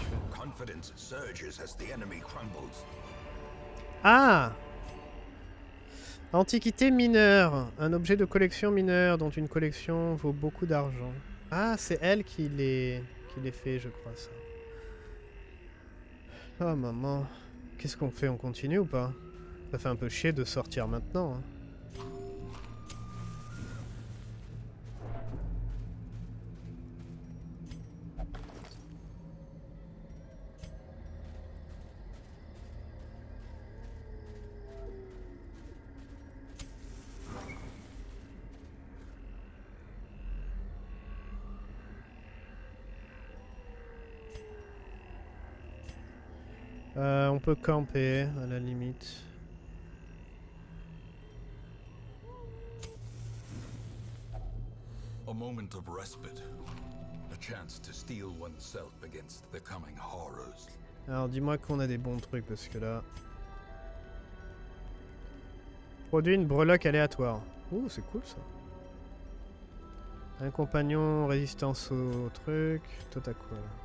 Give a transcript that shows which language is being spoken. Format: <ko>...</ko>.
<en>Confidence surges as the enemy crumbles.</en> <fr>Ah! Antiquité mineure. Un objet de collection mineure dont une collection vaut beaucoup d'argent. Ah, c'est elle qui les fait, je crois, ça. Oh maman. Qu'est-ce qu'on fait? On continue ou pas? Ça fait un peu chier de sortir maintenant. Hein. On peut camper à la limite.</fr> <en>A moment of respite, a chance to steel oneself against the coming horrors.</en> <fr>Alors dis-moi qu'on a des bons trucs parce que là. Produit une breloque aléatoire. Ouh, c'est cool ça. Un compagnon résistance au truc, tout à coup.</fr>